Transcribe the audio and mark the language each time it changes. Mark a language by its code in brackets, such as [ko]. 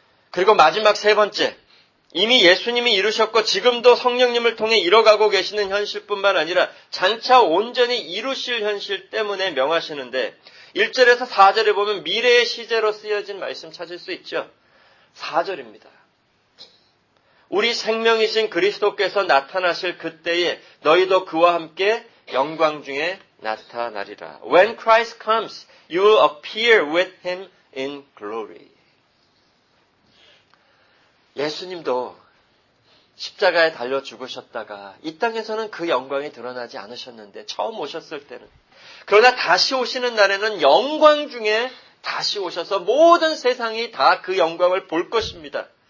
[ko] 그리고 마지막 세 번째, 이미 예수님이 이루셨고 지금도 성령님을 통해 이뤄가고 계시는 현실뿐만 아니라 장차 온전히 이루실 현실 때문에 명하시는데 1절에서 4절에 보면 미래의 시제로 쓰여진 말씀 찾을 수 있죠. 4절입니다. 우리 생명이신 그리스도께서 나타나실 그때에 너희도 그와 함께 영광 중에 나타나리라. [en] When Christ comes, you will appear with him in glory. [ko] 예수님도 십자가에 달려 죽으셨다가 이 땅에서는 그 영광이 드러나지 않으셨는데 처음 오셨을 때는 그러나 다시 오시는 날에는 영광 중에 다시 오셔서 모든 세상이 다 그 영광을 볼 것입니다.